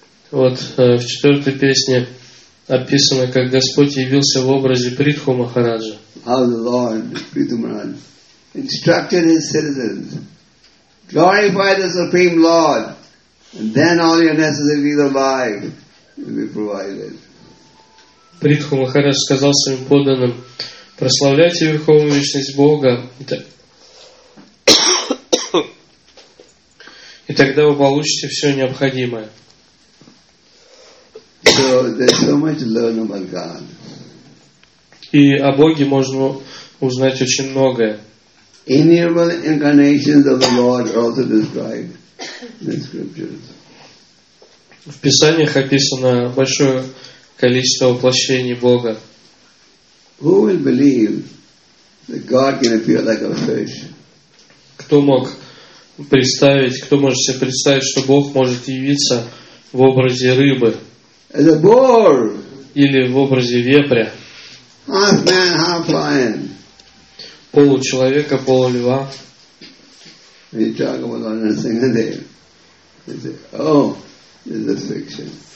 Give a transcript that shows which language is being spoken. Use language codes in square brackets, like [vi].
[ru] Вот в четвертой песне описано, как Господь явился в образе Притху Махараджа. [en] How the Lord, Prithu Maharaj, instructed his citizens, glorify the Supreme Lord, and then all your necessities of life will be provided. [ru] Притху Махарадж сказал своим подданным, прославляйте Верховную Личность Бога, и тогда вы получите все необходимое. [en] So, there's so much to learn about God. [ru] И о Боге можно узнать очень многое. [en] Innumerable incarnations of the Lord are also described in the scriptures. [ru] В Писаниях описано большое количество воплощений Бога. [en] Who will believe that God can appear like a fish? [ru] Кто мог представить, кто может себе представить, что Бог может явиться в образе рыбы? [en] As a boar. [ru] Или в образе вепря? [en] Half man, half lion. [ru] Получеловека, полулева. [en] When you talk about one of the things there, you say, oh, this is fiction.